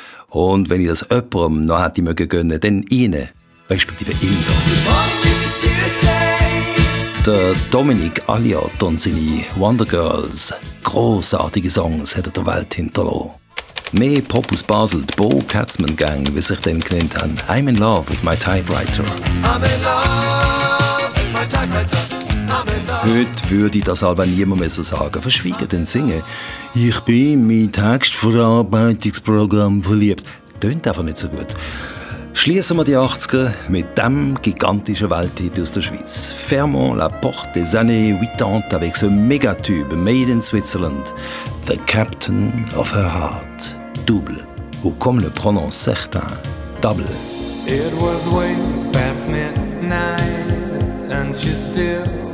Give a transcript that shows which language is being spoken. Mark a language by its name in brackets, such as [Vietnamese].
[German] Und wenn ich das jemandem noch hätte gönnen können, dann Ihnen, respektive Ihnen. Der Dominic Aliot und seine Wonder Girls, grossartige Songs, hat er der Welt hinterlassen. Mehr Pop aus Basel, die Bo Katzmann Gang, wie sich dann genannt haben. [English] I'm in love with my typewriter. I'm in love with my typewriter. [German] Heute würde ich das aber niemand mehr so sagen. Verschwiegen denn singen. Ich bin in mein Textverarbeitungsprogramm verliebt. Tönt einfach nicht so gut. Schließen wir die 80er mit diesem gigantischen Welthit aus der Schweiz. [French] Fermons la porte des années 80 avec ce Megatube [English] made in Switzerland. The Captain of her heart. Double. [French] Ou comme le prononce certains. Double. [English] It was way past midnight and she still.